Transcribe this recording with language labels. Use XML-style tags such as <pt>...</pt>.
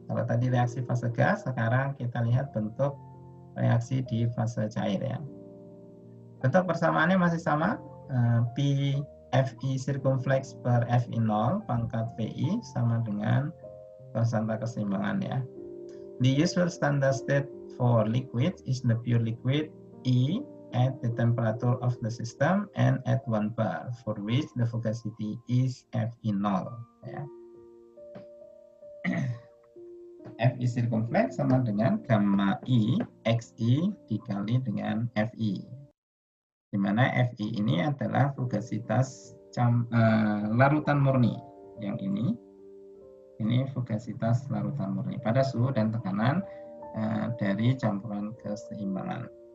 <id>Kalau tadi reaksi fase gas, sekarang kita lihat bentuk reaksi di fase cair ya. Bentuk persamaannya masih sama, P Fe circumflex per Fe0 pangkat Pi sama dengan konstanta keseimbangan ya.</id> <en>The usual standard state for liquids is the pure liquid E at the temperature of the system and at 1 bar for which the fugacity is Fe0 ya.</en> <id>Fe circumflex sama dengan gamma I Xe dikali dengan Fe. Di mana Fe ini adalah fugasitas larutan murni. Yang ini fugasitas larutan murni pada suhu dan tekanan dari campuran keseimbangan.</id>